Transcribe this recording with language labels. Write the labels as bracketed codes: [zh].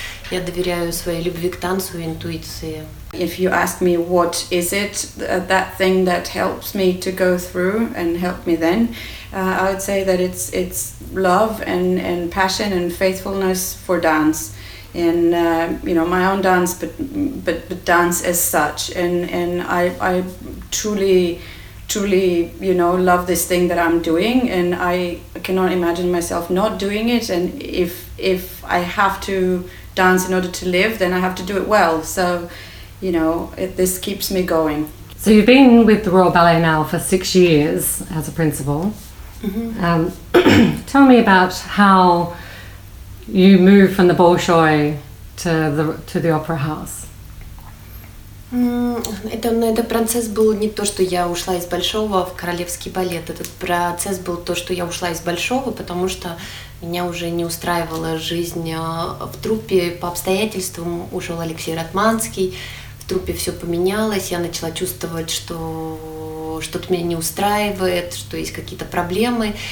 [ru] Я доверяю своей любви к танцу и интуиции. [en] If you ask me what is it, that thing that helps me to go through and help me then, I would say that it's love and passion and faithfulness for dance, and my own dance, but dance as such, and I truly love this thing that I'm doing, and I cannot imagine myself not doing it, and if I have to dance in order to live, then I have to do it well. So this keeps me going. So you've been with the Royal Ballet now for 6 years as a principal. Mm-hmm. tell me about how you moved from the Bolshoi to the Opera House. [ru] Это процесс был не то, что я ушла из Большого в Королевский балет. Этот процесс был то, что я ушла из Большого, потому что меня уже не устраивала жизнь в труппе. По обстоятельствам ушел Алексей Ратманский. В труппе все поменялось, я начала чувствовать, что что-то меня не устраивает, что есть какие-то проблемы.